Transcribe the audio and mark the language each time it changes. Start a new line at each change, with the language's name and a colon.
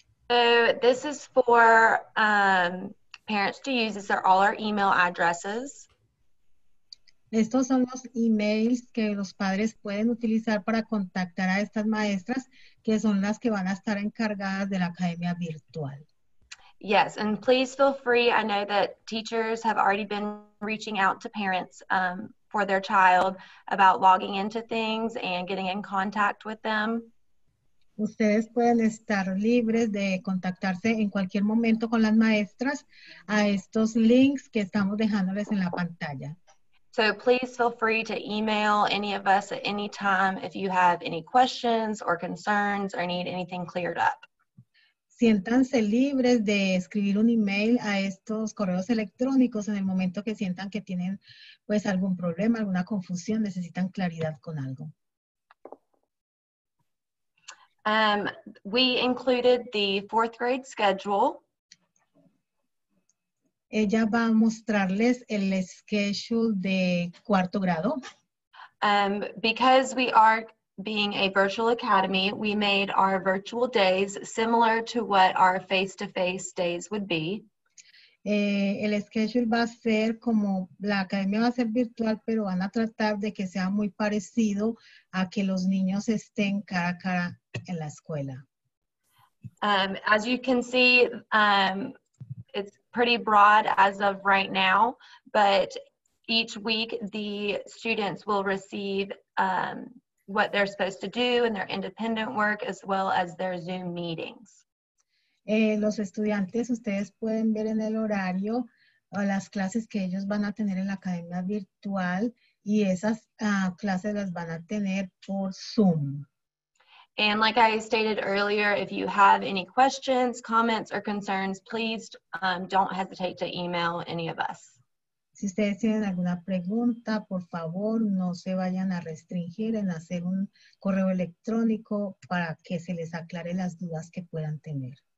English: So this is for parents to use. These are all our email addresses.
Spanish: Estos son los emails que los padres pueden utilizar para contactar a estas maestras, que son las que van a estar encargadas de la academia virtual.
English: Yes, and please feel free. I know that teachers have already been reaching out to parents for their child about logging into things and getting in contact with them.
Spanish: Ustedes pueden estar libres de contactarse en cualquier momento con las maestras a estos links que estamos dejándoles en la pantalla.
English: So please feel free to email any of us at any time if you have any questions or concerns or need anything cleared up.
Spanish: Siéntanse libres de escribir un email a estos correos electrónicos en el momento que sientan que tienen pues algún problema, alguna confusión, necesitan claridad con algo.
English: We included the fourth grade schedule.
Spanish: Ella va a mostrarles el schedule de cuarto grado.
English: Because we are being a virtual academy, we made our virtual days similar to what our face-to-face days would be.
Spanish: El schedule va a ser como, la academia va a ser virtual, pero van a tratar de que sea muy parecido a que los niños estén cara a cara en la escuela.
English: As you can see, it's pretty broad as of right now, but each week the students will receive what they're supposed to do and their independent work as well as their Zoom meetings.
Spanish: Los estudiantes, ustedes pueden ver en el horario las clases que ellos van a tener en la academia virtual y esas clases las van a tener por Zoom.
English: And like I stated earlier, if you have any questions, comments, or concerns, please don't hesitate to email any of us.
Spanish: Si ustedes tienen alguna pregunta, por favor, no se vayan a restringir en hacer un correo electrónico para que se les aclare las dudas que puedan tener.